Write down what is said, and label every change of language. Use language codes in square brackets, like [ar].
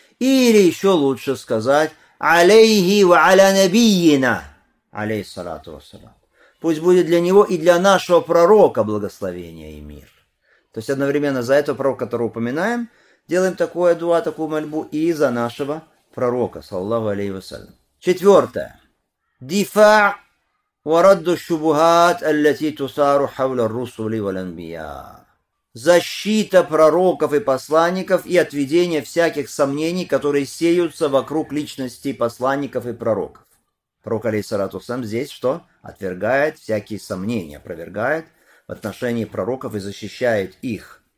[ru] Или еще лучше сказать [ar] алейхи ва аля набийина, [ru] алейхиссалату вассалам. Пусть будет для него и для нашего пророка благословение и мир. То есть одновременно за этого пророка, которого упоминаем, делаем такое дуа, такую мольбу и за нашего пророка, саллаллаху алейхи вассалам. Четвертое. [ar] Дифа وَرَدُّ الشُّبُهَاتِ الَّتِي تُسَارُ حَوْلَ الرُّسُولِ وَلَنْبِيَا. [ru] Защита пророков и посланников и отведение всяких сомнений, которые сеются вокруг личности посланников и пророков. Пророк, алейхиссалату вассалам, здесь что? Отвергает всякие сомнения, опровергает в отношении пророков и защищает их.